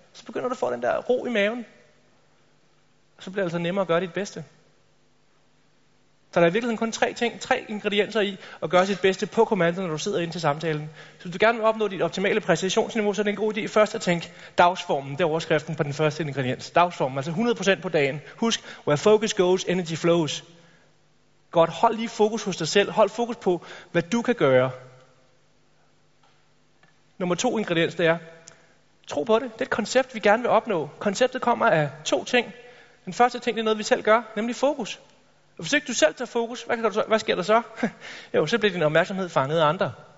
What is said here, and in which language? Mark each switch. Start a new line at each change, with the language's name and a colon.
Danish: Så begynder du at få den der ro i maven. Og så bliver det altså nemmere at gøre dit bedste. Så der er i virkeligheden kun tre ting, tre ingredienser i at gøre sit bedste på kommandoen, når du sidder ind til samtalen. Så hvis du gerne vil opnå dit optimale præcisionsniveau, så er det en god idé først at tænke dagsformen. Det er overskriften på den første ingrediens. Dagsformen, altså 100% på dagen. Husk,
English: where focus goes, energy flows.
Danish: Godt, hold lige fokus hos dig selv. Hold fokus på, hvad du kan gøre. Nummer to ingrediens, det er, tro på det. Det er et koncept, vi gerne vil opnå. Konceptet kommer af to ting. Den første ting, det er noget, vi selv gør, nemlig fokus. Og hvis ikke du selv tager fokus, hvad sker der så? Jo, så bliver din opmærksomhed fanget af andre.